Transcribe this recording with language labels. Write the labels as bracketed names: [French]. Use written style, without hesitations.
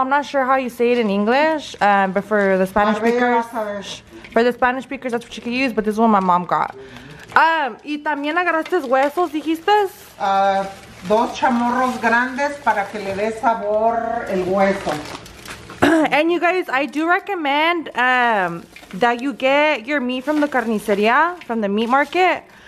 [English] I'm not sure how you say it in English, but for the Spanish speakers, that's what you could use. But this is what my mom got. [Spanish] Y también agarraste huesos, dijiste? Dos chamorros grandes para que le dé sabor el hueso. [English] And you guys, I do recommend that you get your meat from the carniceria, from the meat market.